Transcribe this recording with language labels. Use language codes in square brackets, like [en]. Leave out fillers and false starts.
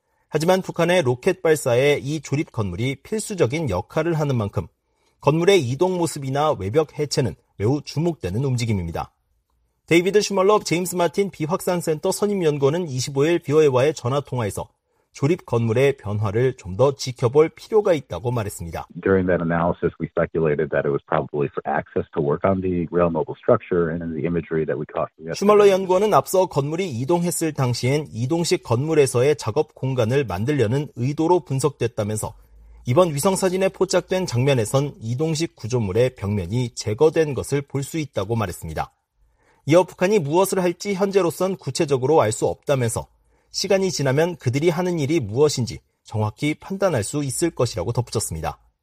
[ko] 하지만 북한의 로켓 발사에 이 조립 건물이 필수적인 역할을 하는 만큼 건물의 이동 모습이나 외벽 해체는 매우 주목되는 움직임입니다. 데이비드 슈멀러, 제임스 마틴 비확산센터 선임연구원은 25일 BOA와의 전화통화에서 조립 건물의 변화를 좀 더 지켜볼 필요가 있다고 말했습니다. [en] During that analysis, we speculated that it was probably for access to work on the rail mobile structure and in the imagery that we caught. [ko] 슈멀러 연구원은 앞서 건물이 이동했을 당시엔 이동식 건물에서의 작업 공간을 만들려는 의도로 분석됐다면서 이번 위성 사진에 포착된 장면에선 이동식 구조물의 벽면이 제거된 것을 볼 수 있다고 말했습니다. 이어 북한이 무엇을 할지 현재로선 구체적으로 알 수 없다면서 시간이 지나면 그들이 하는 일이 무엇인지 정확히 판단할 수 있을 것이라고 덧붙였습니다.